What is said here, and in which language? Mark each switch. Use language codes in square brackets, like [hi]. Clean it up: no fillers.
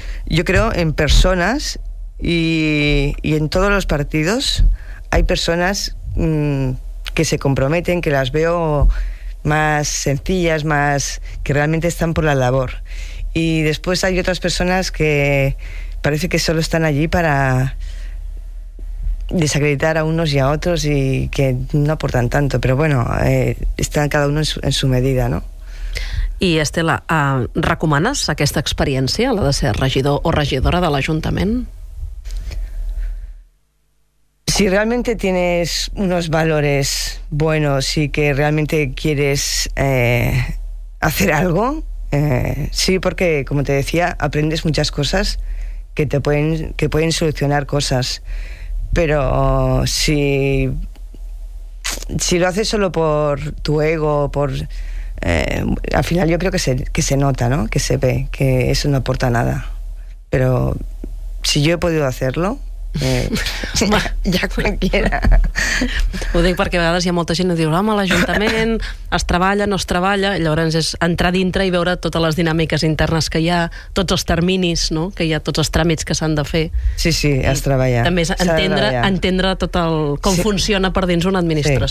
[es] Yo creo en personas y en todos los partidos hay personas que se comprometen, que las veo más sencillas, más que realmente están por la labor. Y después hay otras personas que parece que solo están allí para desacreditar a unos y a otros y que no aportan tanto, pero bueno, están cada uno en su medida, ¿no? [ca] I Estela, recomanes aquesta experiència, la de ser regidor o regidora de l'Ajuntament? [es] Si realmente tienes unos valores buenos y que realmente quieres hacer algo, sí, porque como te decía, aprendes muchas cosas que pueden solucionar cosas, pero si lo haces solo por tu ego, por al final yo creo que se nota, ¿no? Que se ve que eso no aporta nada, pero si yo he podido hacerlo ja cualquiera. [ca] Ho dic perquè a vegades hi ha molta gent que diu, home, l'Ajuntament es treballa, no es treballa, i llavors és entrar dintre i veure totes les dinàmiques internes que hi ha, tots els terminis, no? Que hi ha tots els tràmits que s'han de fer. Sí, sí, es treballa. I també és entendre tot el... com sí. Funciona per dins una administració.